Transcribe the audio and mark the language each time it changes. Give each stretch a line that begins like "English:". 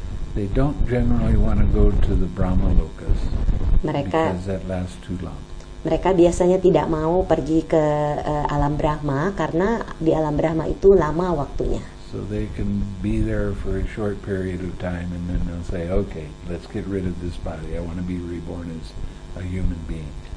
English: They don't generally want to go to the Brahma Lokas because that lasts too long.
Indonesian: Mereka biasanya tidak mau pergi ke alam Brahma karena di alam Brahma itu lama waktunya.
English: So they can be there for a short period of time and then they'll say, okay, let's get rid of this body. I want to be reborn as a human being.